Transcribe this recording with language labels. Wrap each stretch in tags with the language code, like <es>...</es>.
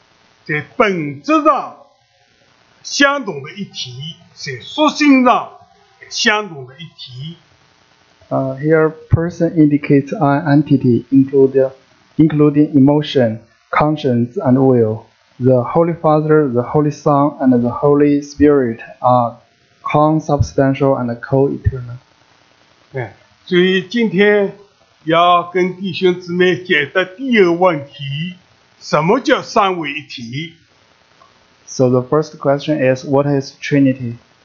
<zh>我们所信的神是独一的真神，以位格乃是自己有感情、思想、意志这个体，圣父、圣子、圣灵三个同等，但是永恒，在本质上。相同的一体，在属性上相同的一体。</zh> <en>Here, person indicates an entity, including emotion, conscience, and will. The Holy Father, the Holy Son, and the Holy Spirit are consubstantial and co-eternal.</en> <zh>所以今天要跟弟兄姊妹解答第二个问题，什么叫三位一体？</zh> <en>So the first question is, what is Trinity?</en>